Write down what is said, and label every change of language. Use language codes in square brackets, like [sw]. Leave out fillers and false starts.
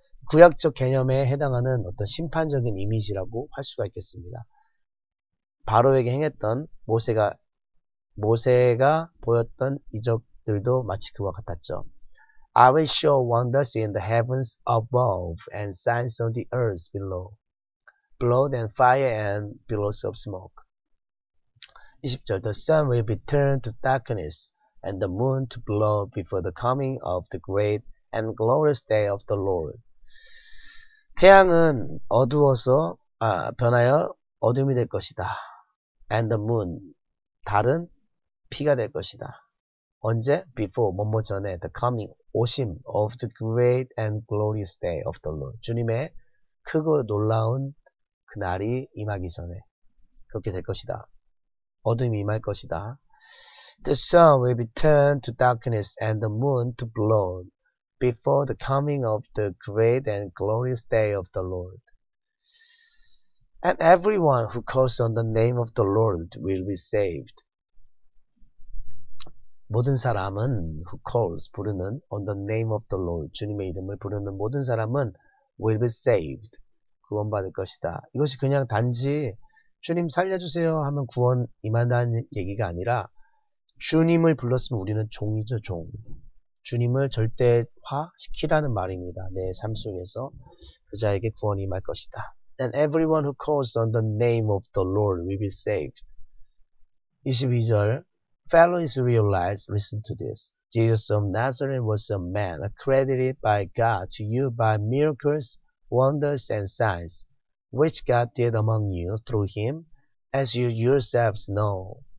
[ko] 구약적 개념에 해당하는 어떤 심판적인 이미지라고 할 수가 있겠습니다. 바로에게 행했던 모세가 보였던 이적들도 마치 그와 같았죠. [en] I will show wonders in the heavens above and signs on the earth below. Blood and fire and billows of smoke. 20절, The sun will be turned to darkness and the moon to blood before the coming of the great and glorious day of the Lord. [ko] 태양은 어두워서 변하여 어둠이 될 것이다. [en] And the moon, [ko] 달은 피가 될 것이다. 언제? [en] Before, [ko] 뭐뭐 전에, [en] the coming, [ko] 오심 [en] of the great and glorious day of the Lord. [ko] 주님의 크고 놀라운 그 날이 임하기 전에 그렇게 될 것이다. 어둠이 임할 것이다. [en] The sun will be turned to darkness and the moon to blood. Before the coming of the great and glorious day of the Lord. And everyone who calls on the name of the Lord will be saved. [ko] 모든 사람은, [en] who calls, [ko] 부르는, [en] on the name of the Lord, [ko] 주님의 이름을 부르는 모든 사람은 [en] will be saved. [ko] 구원받을 것이다. 이것이 그냥 단지 주님 살려주세요 하면 구원 임한다는 얘기가 아니라 주님을 불렀으면 우리는 종이죠, 종. 주님을 절대화시키라는 말입니다. 내삶 속에서 그자에게 구원이 임할 것이다. [en] And everyone who calls on the name of the Lord will be saved. 22절, Fellow Israelites, listen to this. Jesus of Nazareth was a man accredited by God to you by miracles, wonders, and signs, which God did among you through him, as you yourselves know.